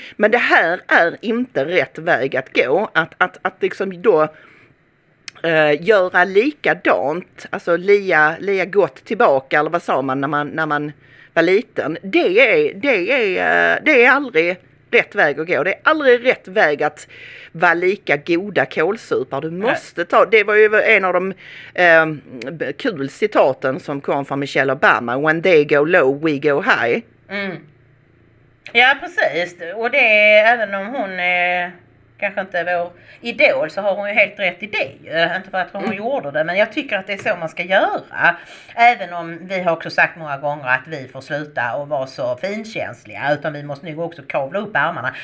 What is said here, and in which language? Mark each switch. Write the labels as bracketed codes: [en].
[sv] Men det här är inte rätt väg att gå, att liksom då göra likadant, alltså lia gott tillbaka, eller vad sa man när man var liten. Det är aldrig rätt väg att gå. Det är aldrig rätt väg att vara lika goda kålsupar. Du måste ta, det var ju en av de kul citaten som kom från Michelle Obama. [en] When they go low, we go high. [sv] Ja, precis. Och det, även om hon kanske inte är vår idol, så har hon ju helt rätt i det. Inte för att hon gjorde det, men jag tycker att det är så man ska göra. Även om vi har också sagt många gånger att vi får sluta och vara så finkänsliga, utan vi måste nu också kavla upp armarna.